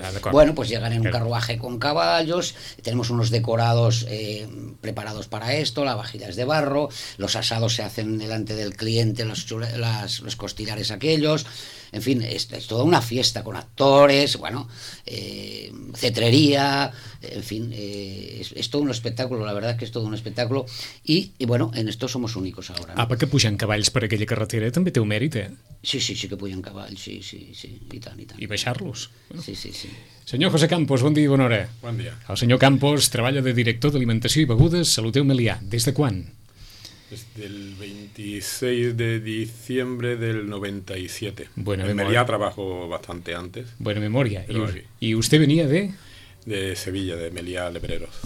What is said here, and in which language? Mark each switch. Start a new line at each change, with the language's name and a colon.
Spanish: Bueno, pues llegan en un carruaje con caballos, tenemos unos decorados preparados para esto, la vajilla es de barro, los asados se hacen delante del cliente, los costillares aquellos, en fin, es toda una fiesta con actores, bueno, cetrería, en fin, es todo un espectáculo, la verdad es que es todo un espectáculo, y bueno, en esto somos únicos ahora. Ah, ¿no?
Catalan: Perquè pujan cavalls per aquella carretera també té un mèrit, eh? Sí, sí, sí que pujan cavalls, sí, sí, sí, i tant, i tant. I baixar-los. Bueno. Sí, sí, sí. Senyor José Campos, bon dia i bona hora. Bon dia. El senyor Campos treballa de director d'alimentació i begudes. Saluteu Melià. Des de quan? Des del 26 de diciembre del 97.
Spanish: Buena memoria. Melià trabajo bastante antes. Buena memoria.
Catalan: Però sí. I vostè venia de? De Sevilla, de Melià Lebreros.